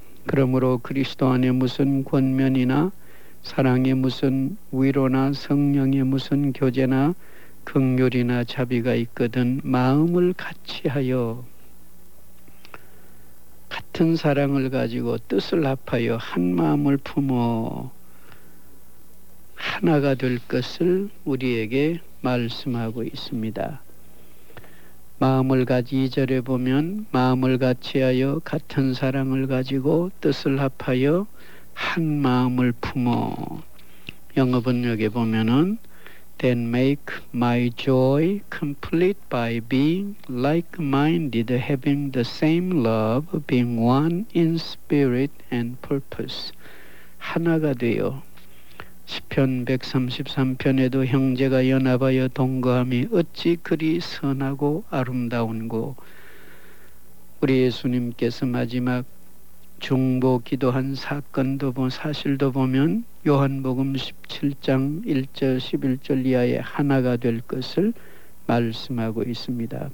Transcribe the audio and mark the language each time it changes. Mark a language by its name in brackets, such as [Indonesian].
[Korean] 그러므로 그리스도 안에 무슨 권면이나 사랑의 무슨 위로나 성령의 무슨 교제나 긍휼이나 자비가 있거든 마음을 같이하여, 같은 사랑을 가지고 뜻을 합하여 한 마음을 품어 하나가 될 것을 우리에게 말씀하고 있습니다. 마음을 같이, 2절에 보면 마음을 같이하여 같은 사랑을 가지고 뜻을 합하여 한 마음을 품어, 영어 번역에 보면은 [English] Then make my joy complete by being like-minded, having the same love, being one in spirit and purpose. [Korean] 하나가 되어. 시편 133편에도 형제가 연합하여 동거함이 어찌 그리 선하고 아름다운고. 우리 예수님께서 마지막 중보 기도한 사건도 사실도 보면 요한복음 17장 1절 11절 이하에 하나가 될 것을 말씀하고 있습니다.